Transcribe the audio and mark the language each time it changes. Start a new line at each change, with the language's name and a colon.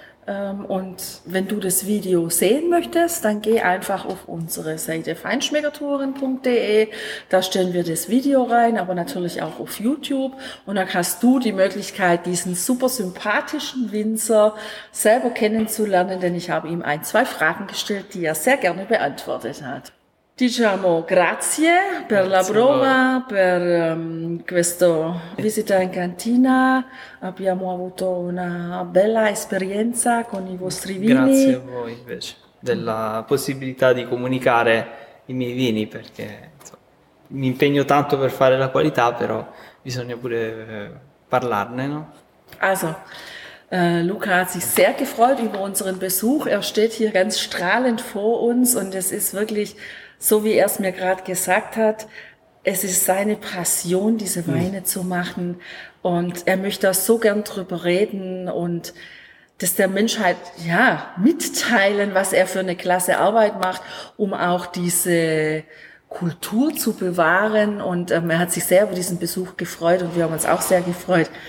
German: Und wenn du das Video sehen möchtest, dann geh einfach auf unsere Seite feinschmeckertouren.de. Da stellen wir das Video rein, aber natürlich auch auf YouTube. Und dann hast du die Möglichkeit, diesen super sympathischen Winzer selber kennenzulernen, denn ich habe ihm ein, zwei Fragen gestellt, die er sehr gerne beantwortet hat.
Italian: Diciamo grazie per la prova, per questo visita in cantina. Abbiamo avuto una bella esperienza con i vostri vini. Grazie a voi invece della possibilità di comunicare i miei vini, perché mi impegno tanto per fare la qualità, però bisogna pure parlarne, no?
German: Also, Luca hat sich sehr gefreut über unseren Besuch. Er steht hier ganz strahlend vor uns und es ist wirklich... So wie er es mir gerade gesagt hat, es ist seine Passion, diese Weine zu machen und er möchte auch so gern drüber reden und dass der Menschheit ja mitteilen, was er für eine klasse Arbeit macht, um auch diese Kultur zu bewahren und er hat sich sehr über diesen Besuch gefreut und wir haben uns auch sehr gefreut.